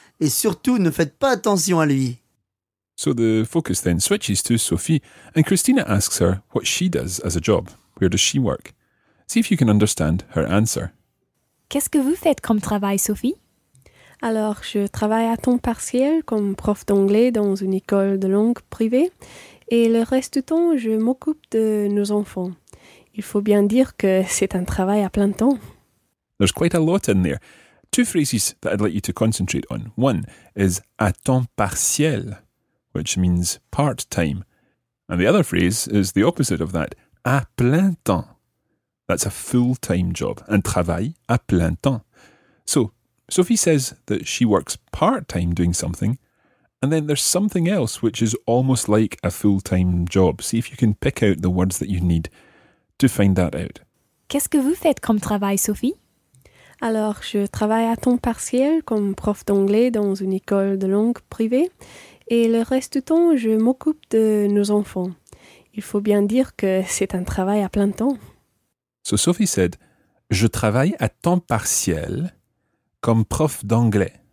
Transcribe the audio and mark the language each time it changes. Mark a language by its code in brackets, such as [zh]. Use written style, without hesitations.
[fr] Et surtout, ne faites pas attention à lui. [en] So the focus then switches to Sophie, and Christina asks her what she does as a job. Where does she work? See if you can understand her answer. [fr] Qu'est-ce que vous faites comme travail, Sophie? Alors, je travaille à temps partiel comme prof d'anglais dans une école de langue privée et le reste du temps, je m'occupe de nos enfants. Il faut bien dire que c'est un travail à plein temps. [en] There's quite a lot in there. Two phrases that I'd like you to concentrate on. One is [fr] à temps partiel, [en] which means part-time. And the other phrase is the opposite of that, [fr] à plein temps. [en] That's a full-time job, [fr] un travail à plein temps. [en] So, Sophie says that she works part-time doing something, and then there's something else which is almost like a full-time job. See if you can pick out the words that you need to find that out. [fr] Qu'est-ce que vous faites comme travail, Sophie? Alors, je travaille à temps partiel comme prof d'anglais dans une école de langue privée, et le reste du temps, je m'occupe de nos enfants. Il faut bien dire que c'est un travail à plein temps. [en] So Sophie said, [fr] je travaille à temps partiel comme prof d'anglais.